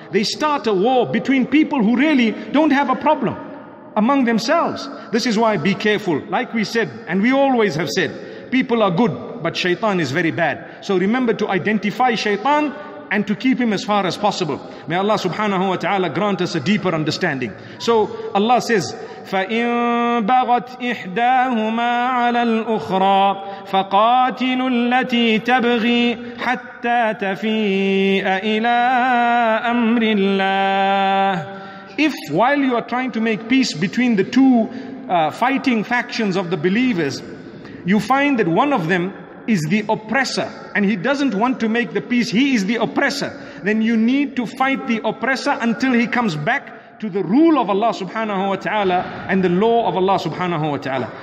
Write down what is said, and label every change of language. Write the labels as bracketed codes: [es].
[en] They start a war between people who really don't have a problem among themselves. This is why be careful. Like we said, and we always have said, people are good, but shaitan is very bad. So remember to identify shaitan and to keep him as far as possible. May Allah subhanahu wa ta'ala grant us a deeper understanding. [ar] So Allah says, فَإِن بَغَتْ إِحْدَاهُمَا عَلَى الْأُخْرَى فَقَاتِلُوا الَّتِي تَبْغِي حَتَّى تَفِيءَ إِلَىٰ أَمْرِ اللَّهِ. [en] If while you are trying to make peace between the two fighting factions of the believers, you find that one of them is the oppressor and he doesn't want to make the peace, he is the oppressor, then you need to fight the oppressor until he comes back to the rule of Allah subhanahu wa ta'ala and the law of Allah subhanahu wa ta'ala.